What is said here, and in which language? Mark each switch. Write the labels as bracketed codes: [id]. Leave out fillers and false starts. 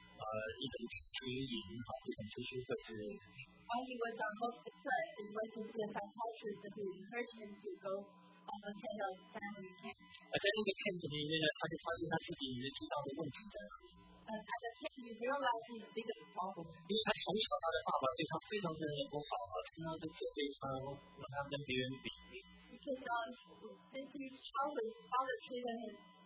[zh] 一种经营，好，这种读书会是。 [en] While he was our most depressed, he went to see a psychiatrist who encouraged him to go attend a family camp. [zh] 在那个 camp 里面呢，他就发现他自己有最大的问题的。 [en] At the camp, he realized his biggest problem. [zh] 因为他从小他的爸爸对他非常非常不好啊，经常都责备他，让他跟别人比。 [en] Because since his childhood, his father treated him.